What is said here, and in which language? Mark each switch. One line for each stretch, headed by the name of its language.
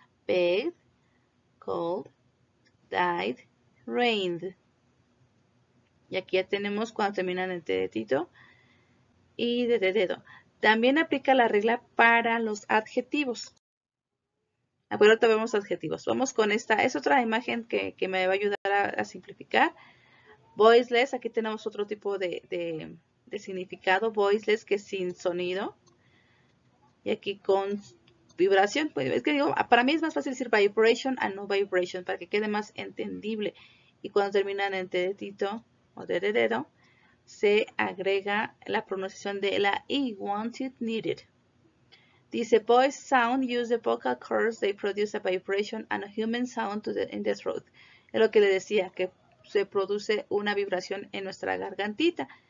English: Begged, called, died, rained.
Spanish: Y aquí ya tenemos cuando terminan en dedito y de dedo. También aplica la regla para los adjetivos. Acuérdate, vemos adjetivos. Vamos con esta. Es otra imagen que me va a ayudar a simplificar. Voiceless. Aquí tenemos otro tipo de significado. Voiceless, que es sin sonido. Y aquí con vibración. Pues, es que digo, para mí es más fácil decir vibration a no vibration para que quede más entendible. Y cuando terminan en dedito o dedo, se agrega la pronunciación de la I.
English: Wanted, needed. Dice, voice sound use the vocal cords, they produce a vibration and a human sound to the, in the throat.
Spanish: Es lo que le decía, que se produce una vibración en nuestra gargantita.